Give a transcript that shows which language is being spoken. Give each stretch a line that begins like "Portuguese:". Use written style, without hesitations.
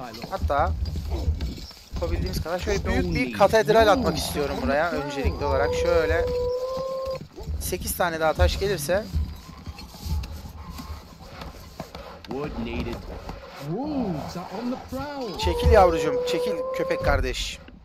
Turkish: Hatta yapabildiğimiz kadar şöyle büyük bir katedral atmak istiyorum buraya öncelikli olarak. Şöyle 8 tane daha taş gelirse.
English: coordinated wolves are on the prowl.
Turkish: Çekil yavrucuğum, çekil köpek kardeş.